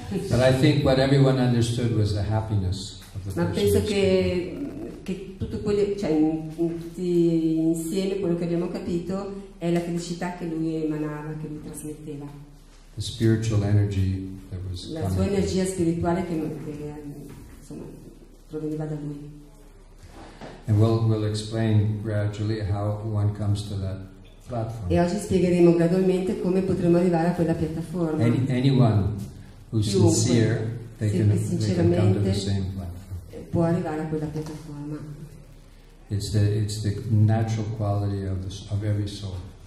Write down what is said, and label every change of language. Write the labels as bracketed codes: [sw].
[en] But I think what everyone understood was the happiness of the [it] Ma penso che tutto quello, cioè in tutti insieme quello che abbiamo capito è la felicità che lui emanava, che lui trasmetteva. [en] The spiritual energy that was [it] la sua energia spirituale che insomma, proveniva da lui. [en] And we'll explain gradually how one comes to that. Platform. [it] E oggi spiegheremo gradualmente come potremo arrivare a quella piattaforma. [en] Anyone who's [it] Chiunque, [en] sincere, they can, [it] sinceramente [en] they can come to the same platform. [it] Può arrivare a quella piattaforma. [en] It's the natural quality of every soul.